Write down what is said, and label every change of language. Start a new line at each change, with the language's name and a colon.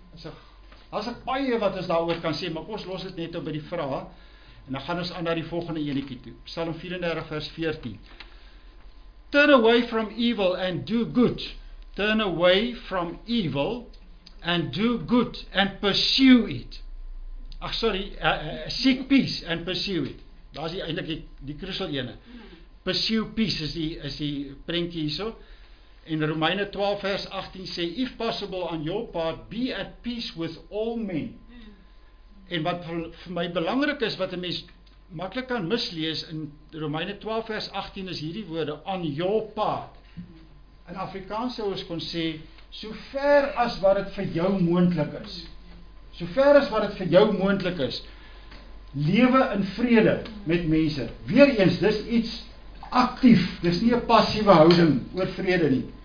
Afrikaans: As a paie wat ons daar oor kan sê, maar ons los het net op by die vraag, en dan gaan ons aan na die volgende eniekie toe.
English: Psalm 34 vers 14, turn away from evil and do good, turn away from evil and do good and pursue it. Ach sorry, seek peace and pursue it.
Afrikaans: Daar is eintlik die krusel ene.
English: Pursue peace
Afrikaans: is die prentjie hierso. In Romeine 12 vers 18 sê,
English: if possible on your part, be at peace with all men.
Afrikaans: En wat vir my belangrik is, wat een mens makkelijk kan mislees, in Romeine 12 vers 18 is hierdie woorde,
English: on your part.
Afrikaans: In Afrikaans sou ons kon sê, so ver as wat het vir jou moontlik is, so ver as wat het vir jou moontlik is, lewe in vrede met mense. Weereens, dis iets actief, dis nie een passieve houding oor vrede nie.